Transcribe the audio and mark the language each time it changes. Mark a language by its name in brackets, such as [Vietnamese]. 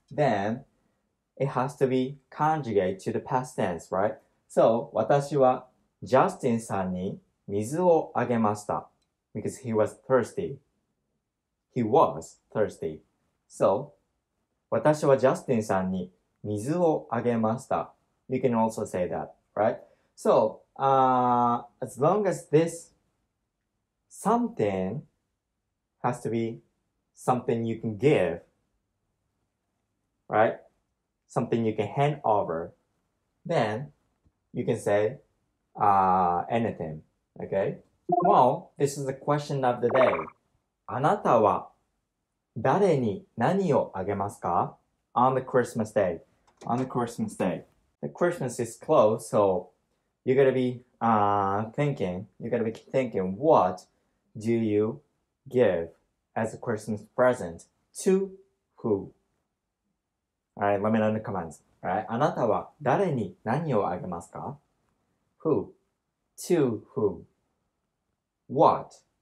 [English] Then, it has to be conjugate to the past tense, right? So, [Japanese] 私はジャスティンさんに水をあげました。 [English] Because he was thirsty. He was thirsty. So, [Japanese] 私はジャスティンさんに水をあげました。 [English] You can also say that, right? So, as long as this something has to be something you can give, right? Something you can hand over, then you can say anything, okay? Well, this is the question of the day. [Japanese] あなたは誰に何をあげますか? [English] On the Christmas day. The Christmas is close, so you're gonna be thinking, what do you give as a Christmas present to who? Alright, let me know in the comments. Alright, [Japanese] あなたは誰に何をあげますか? [English] Who? To who? What?